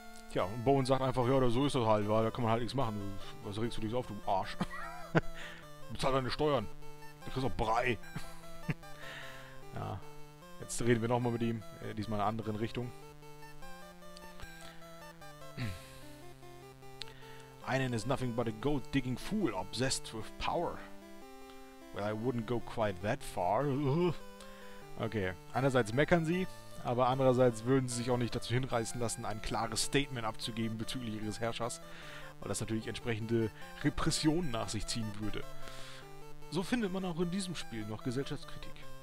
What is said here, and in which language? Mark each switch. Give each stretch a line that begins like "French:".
German: Tja, und Bowen sagt einfach, ja, so ist das halt, weil da kann man halt nichts machen. Was regst du dich auf, du Arsch? Bezahl deine Steuern. Da kriegst du auch Brei. Ja, jetzt reden wir nochmal mit ihm, diesmal in einer anderen Richtung.
English: Einen is nothing but a gold-digging fool, obsessed with power. Well, I wouldn't go quite that far.
German: Okay, einerseits meckern sie, aber andererseits würden sie sich auch nicht dazu hinreißen lassen, ein klares Statement abzugeben bezüglich ihres Herrschers, weil das natürlich entsprechende Repressionen nach sich ziehen würde. So findet man auch in diesem Spiel noch Gesellschaftskritik.